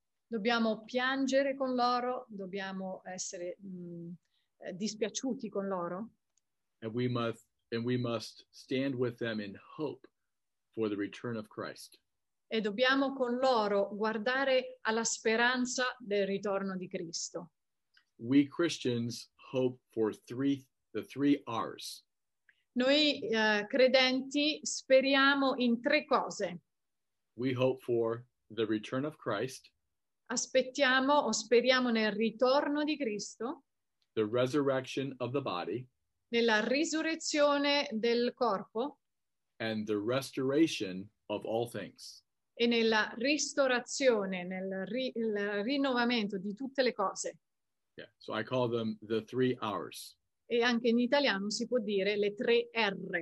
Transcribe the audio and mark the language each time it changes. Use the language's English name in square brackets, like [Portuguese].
[Italian] Dobbiamo piangere con loro, dobbiamo essere dispiaciuti con loro. [English] And we must stand with them in hope for the return of Christ. [Italian] E dobbiamo con loro guardare alla speranza del ritorno di Cristo. [English] We Christians hope for the three R's. [Italian] Noi credenti speriamo in tre cose. [English] We hope for the return of Christ. [Italian] Aspettiamo o speriamo nel ritorno di Cristo. [English] The resurrection of the body. [Italian] Nella risurrezione del corpo. [English] And the restoration of all things. [Italian] E nella ristorazione, nel rinnovamento di tutte le cose. [English] Yeah, so I call them the three R's. [Italian] E anche in italiano si può dire le tre R.